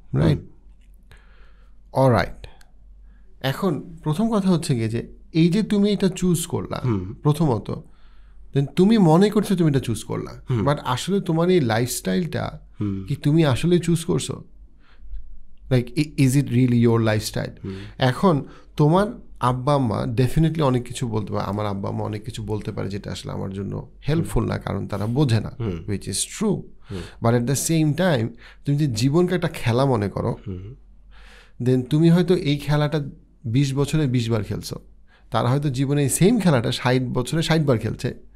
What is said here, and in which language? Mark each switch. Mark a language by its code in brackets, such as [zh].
[bn] Right, alright. এখন প্রথম কথা হচ্ছে গিয়ে যে এই যে তুমি এটা চুজ করলা প্রথমত, দেন তুমি মনে করছো তুমি এটা চুজ করলা, বাট আসলে তোমার এই লাইফস্টাইলটা কি তুমি আসলে চুজ করছো? [en] Like, is it really your lifestyle? [bn] এখন তোমার আব্বা আম্মা ডেফিনেটলি অনেক কিছু বলতে পারে, আমার আব্বা আম্মা অনেক কিছু বলতে পারে যেটা আসলে আমার জন্য হেল্পফুল না, কারণ তারা বোঝে না, [en] Which is true. But at the same time [bn] তুমি যদি জীবনকে একটা খেলা মনে করো, দেন তুমি হয়তো এই খেলাটা 20 বছরে 20 বার খেলছো, তারা হয়তো জীবনে এই সেম খেলাটা 60 বছরে 60 বার খেলছে।